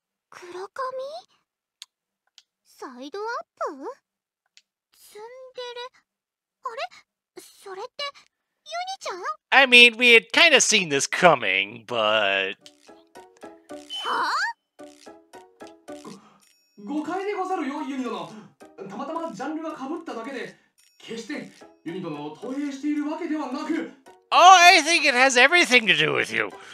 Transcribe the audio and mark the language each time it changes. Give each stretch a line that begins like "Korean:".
Japanese: 黒髪サイドアップツンデレ。あれ、それってユニちゃん。
English: I mean, we had kind of seen this coming, but...
Japanese: はぁ、誤解でござるよ、ユニ殿。たまたまジャンルが被っただけで、決してユニ殿を投影しているわけではなく。
English: Oh, I think it has everything to do with you.